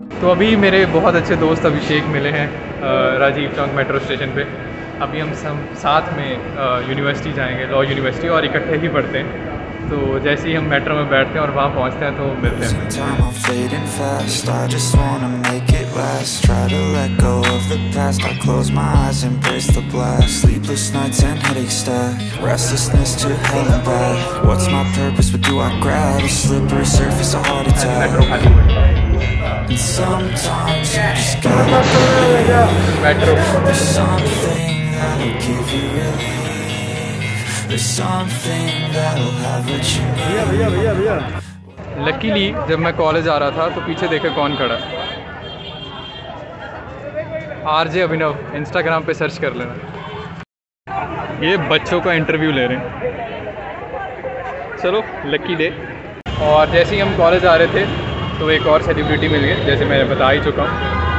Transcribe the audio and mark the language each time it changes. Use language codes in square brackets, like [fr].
[hi] तो अभी मेरे बहुत अच्छे दोस्त अभिषेक मिले हैं राजीव चौक मेट्रो स्टेशन पे। अभी हम सब साथ में यूनिवर्सिटी जाएंगे, लॉ यूनिवर्सिटी, और इकट्ठे ही पढ़ते हैं। तो जैसे ही हम मेट्रो में बैठते हैं और वहाँ पहुँचते हैं तो मिलते हैं। [en] Try to let go of the past, I close my eyes, embrace the blast. Sleepless nights and headache stack, restlessness to hell and back. What's my purpose, what do I grab? A slippery surface, a heart attack. And sometimes you just gotta believe. There's something that'll give you relief. There's something that'll have what you need. [hi] Luckily, जब मैं college आ रहा था तो पीछे देखे कौन खड़ा, RJ अभिनव, Instagram पे सर्च कर लेना। ये बच्चों का इंटरव्यू ले रहे हैं, चलो लकी डे। और जैसे ही हम कॉलेज आ रहे थे तो एक और सेलिब्रिटी मिल गई, जैसे मैंने बता ही चुका हूँ।